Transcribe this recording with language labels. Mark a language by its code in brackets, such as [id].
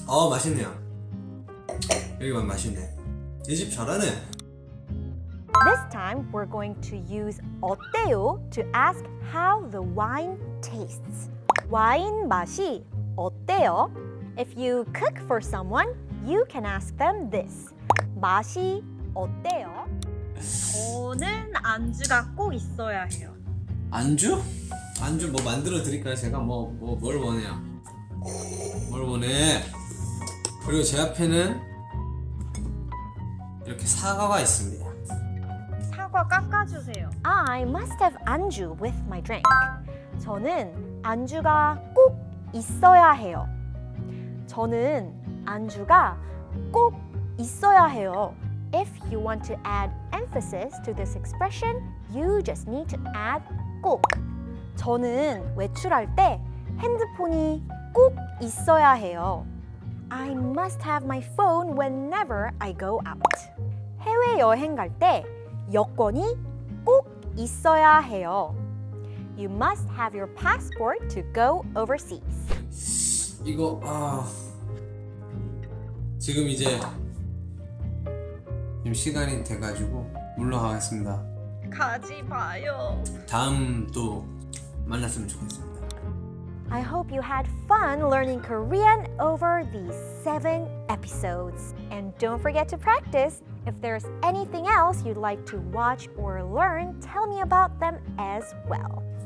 [ko] 맛있네요. 여기만 맛있네. 이 집 잘하네. [en] This time, we're going to use 어때요 to ask how the wine tastes. [ko] 와인 맛이 어때요? [en] If you cook for someone, you can ask them this. [ko] 맛이 어때요? 저는 안주가 꼭 있어야 해요. 안주? 안주 뭐 만들어 드릴까요? 제가 뭘 원해요? 뭘 원해? 그리고 제 앞에는 이렇게 사과가 있습니다. 사과 깎아주세요. [en] I must have 안주 with my drink. [ko] 저는 안주가 꼭 있어야 해요. 저는 안주가 꼭 있어야 해요. [en] If you want to add emphasis to this expression, you just need to add 꼭. [ko] 저는 외출할 때 핸드폰이 꼭 있어야 해요. [en] I must have my phone whenever I go out. [ko] 해외여행 갈 때 여권이 꼭 있어야 해요. [en] You must have your passport to go overseas. [ko] 이거 지금 이제 시간이 돼가지고 물러가겠습니다. 가지 마요. 다음 또 만났으면 좋겠습니다. [en] I hope you had fun learning Korean over these 7 episodes. And don't forget to practice. If there's anything else you'd like to watch or learn, tell me about them as well.